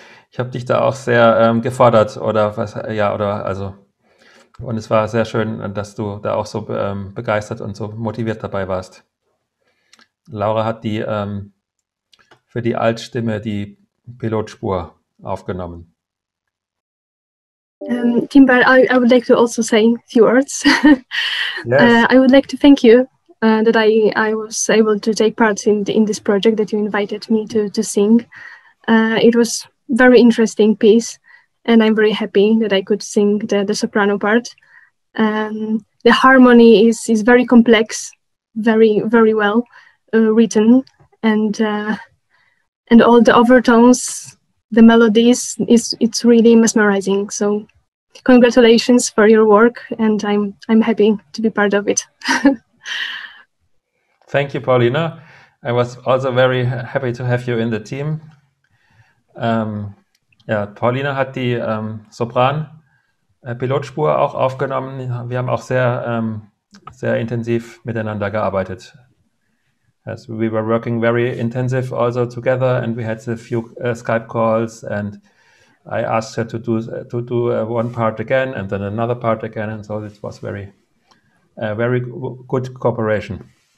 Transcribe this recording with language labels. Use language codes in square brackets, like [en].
[de] Ich habe dich da auch sehr gefordert oder was... Ja, oder also... Und es war sehr schön, dass du da auch so begeistert und so motiviert dabei warst. Laura hat die für die Altstimme die Pilotspur aufgenommen. [en] Timbal, I would like to also say a few words. Yes. I would like to thank you. That I was able to take part in this project that you invited me to sing. It was very interesting piece, and I'm very happy that I could sing the soprano part. The harmony is very complex, very, very well written, and all the overtones, the melodies, it's really mesmerizing. So congratulations for your work, and I'm happy to be part of it. Thank you, Paulina. I was also very happy to have you in the team. [de] Ja, Paulina hat die Sopran-Pilotspur auch aufgenommen. Wir haben auch sehr, sehr intensiv miteinander gearbeitet. [en] As we were working very intensive also together, and we had a few Skype calls, and I asked her to do one part again, and then another part again, and so it was very, very good cooperation.